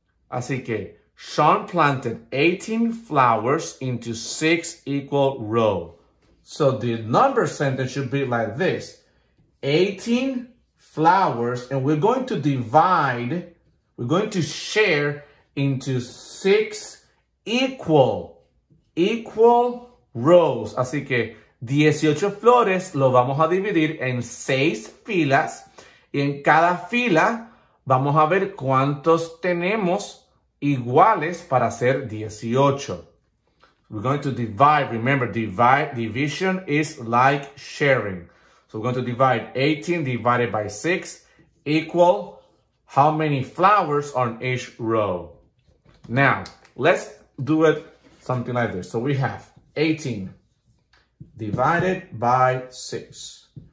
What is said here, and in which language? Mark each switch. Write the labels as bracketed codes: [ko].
[es] Así que, [en] Sean planted 18 flowers into 6 equal rows. So the number sentence should be like this. 18 flowers, and we're going to divide, we're going to share into 6 equal rows. [es] Así que, 18 flores lo vamos a dividir en 6 filas. Y en cada fila vamos a ver cuántos tenemos iguales para hacer 18. [en] We're going to divide. Remember, division is like sharing. So we're going to divide 18 divided by 6 equal how many flowers on each row. Now, let's do it something like this. So we have 18 divided by 6.